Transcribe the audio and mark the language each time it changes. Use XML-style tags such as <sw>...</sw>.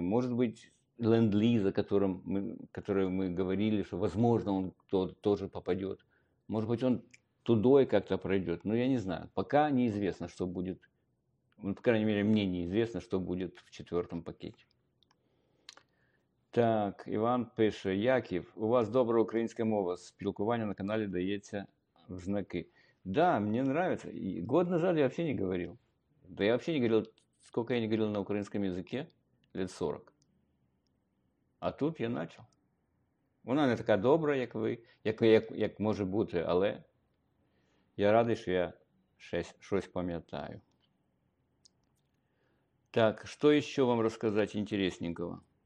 <ru>Может быть, ленд-лиз, о котором мы говорили, что, возможно, он тоже попадет. Может быть, он тудой как-то пройдет. Но я не знаю. Пока неизвестно, что будет. Ну, по крайней мере, мне неизвестно, что будет в четвертом пакете.</ru> <uk>Так, Іван пише. Яків, у вас добра українська мова. Спілкування на каналі дається в знаки.</uk> <ru>Да, мне нравится. И год назад я вообще не говорил. Да я вообще не говорил, сколько я не говорил на украинском языке? Лет 40. А тут я начал.</ru> <uk>Вона не така добра, як ви, як може бути, але я радий, що я щось пам'ятаю. Так, що ще вам розказати інтересненького?</uk>